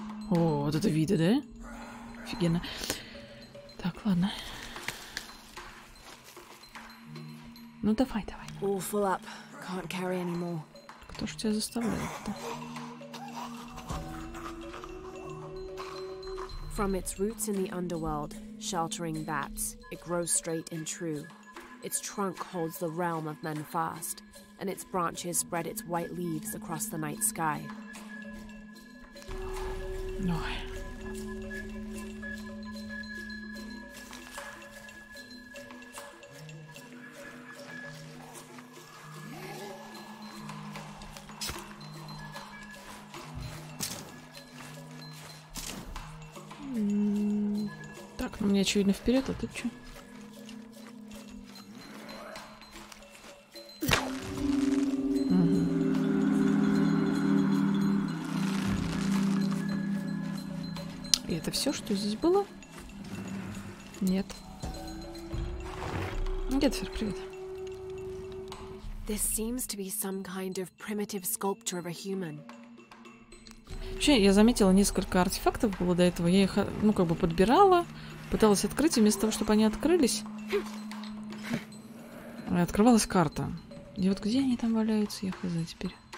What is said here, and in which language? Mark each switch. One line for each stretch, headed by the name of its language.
Russian: О, вот это виды, да? Офигенно. Так, ладно. Ну, давай, давай.
English: All full up. Can't carry anymore.
Russian: Кто ж тебя заставляет-то?
English: From its roots in the underworld, sheltering bats, it grows straight and true. Its trunk holds the realm of men fast, and its branches spread its white leaves across the night sky. No.
Russian: Так, ну мне очевидно вперед, а ты чё? Все, что здесь было? Нет. Нет, сэр, привет.
English: This seems to be some kind of primitive sculpture of a human.
Russian: Вообще, я заметила несколько артефактов было до этого. Я их, ну, как бы подбирала, пыталась открыть, и вместо того, чтобы они открылись, открывалась карта. И вот где они там валяются, я хз теперь.